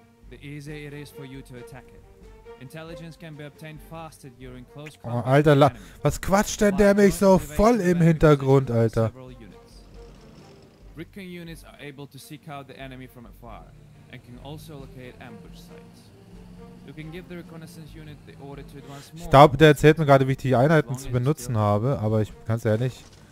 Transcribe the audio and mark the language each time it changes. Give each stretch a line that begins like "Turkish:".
English: The easier it is for you to attack it. Intelligence can be obtained faster during close combat.
German: Oh, Alter, was quatscht denn der mich so voll im Hintergrund, Alter?
English: Recon units are able to seek out the enemy from afar and can also locate ambush sites. You can give the reconnaissance unit the order to advance more.
German: Ich glaube, der erzählt mir gerade, wie ich die Einheiten zu benutzen habe, aber ich ganz ehrlich.